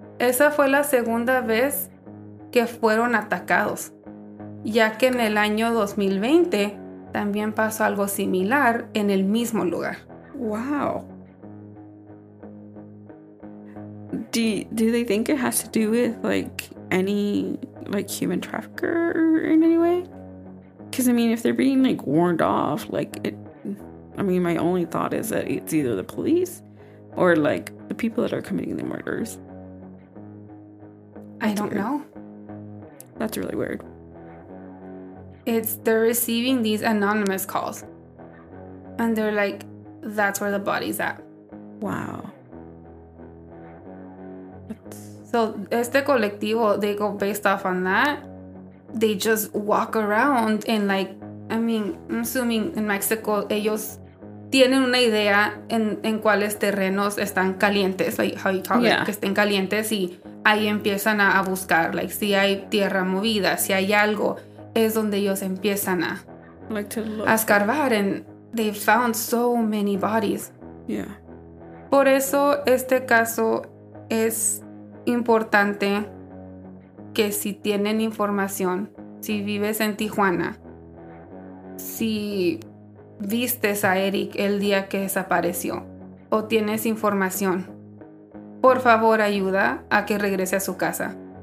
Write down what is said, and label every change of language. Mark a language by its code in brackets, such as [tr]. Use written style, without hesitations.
[es] Esa fue la segunda vez que fueron atacados, ya que en el año 2020 también pasó algo similar en el mismo lugar. [en] Wow. Do they think it has to do with, like, any, like, human trafficker in any way? Because, I mean, if they're being, like, warned off, like, my only thought is that it's either the police or, like, the people that are committing the murders. I don't know. That's really weird. They're receiving these anonymous calls. And they're like, that's where the body's at. Wow. So, [es] este colectivo, [en] they go based off on that. They just walk around and, like, I mean, I'm assuming in Mexico, [es] ellos tienen una idea en cuáles terrenos están calientes, [en] like, how you call it, [es] que estén calientes, y ahí empiezan a buscar, like, si hay tierra movida, si hay algo. es donde ellos empiezan a, [en] like to look. [es] A escarbar, [en] and they found so many bodies. Yeah. [es] Por eso este caso es importante que si tienen información, si vives en Tijuana, si vistes a Erick el día que desapareció o tienes información, por favor ayuda a que regrese a su casa.